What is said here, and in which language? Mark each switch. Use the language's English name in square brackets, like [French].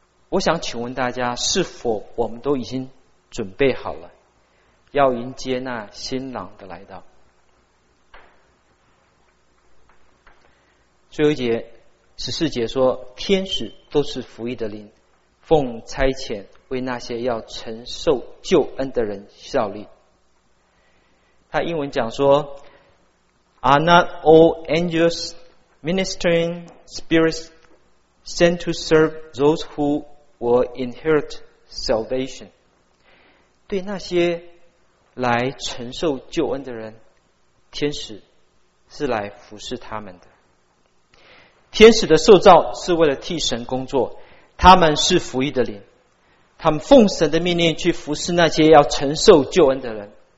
[Chinese] 我想请问大家，是否我们都已经准备好了要迎接那新郎的来到？最后一节14节说，天使都是服役的灵，奉差遣为那些要承受救恩的人效力。他英文讲说 [English] Are not all angels ministering spirits sent to serve those who will inherit salvation? [Chinese] 对那些来承受救恩的人，天使是来服侍他们的。天使的受造是为了替神工作，他们是服役的灵，他们奉神的命令去服侍那些要承受救恩的人。